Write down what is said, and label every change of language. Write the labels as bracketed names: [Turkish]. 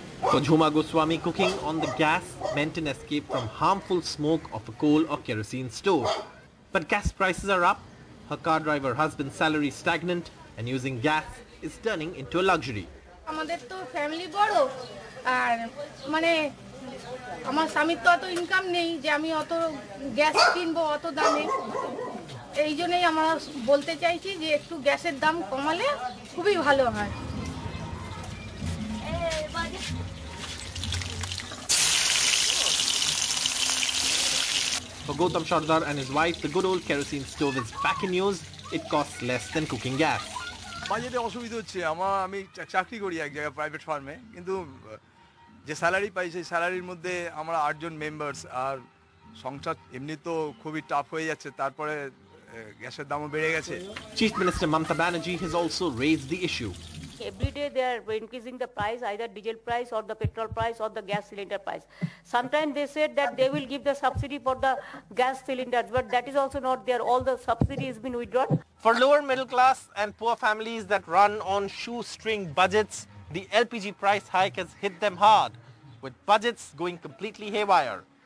[English] For Jhuma Goswami, cooking on the gas meant an escape from harmful smoke of a coal or kerosene stove. But gas prices are up, her car driver husband's salary stagnant, and using gas is turning into a luxury. [Bangla] আমাদের তো family বড় আর মানে আমার স্বামীর তো অত income নেই যে আমি অত গ্যাস কিনবো অত দামে এই জন্যই আমরা বলতে চাইছি যে একটু গ্যাসের দাম কমালে খুবই ভালো হয় [English] For Gautam Shardar and his wife, the good old kerosene stove is back in use. It costs less than cooking gas. [Bangla] বাজেটে অসুবিধা হচ্ছে আমার আমি চাকরি করি এক জায়গায় প্রাইভেট ফার্মে কিন্তু যে স্যালারি পাই সেই স্যালারির মধ্যে আমরা আটজন মেম্বার্স আর সংসার এমনি তো খুবই টাফ হয়ে যাচ্ছে তারপরে গ্যাসের দামও বেড়ে গেছে [English] Chief minister Mamata Banerjee has also raised the issue Every day they are increasing the price, either diesel price or the petrol price or the gas cylinder price. Sometimes they said that they will give the subsidy for the gas cylinders, but that is also not there. All the subsidy has been withdrawn. For lower middle class and poor families that run on shoestring budgets, the LPG price hike has hit them hard, with budgets going completely haywire.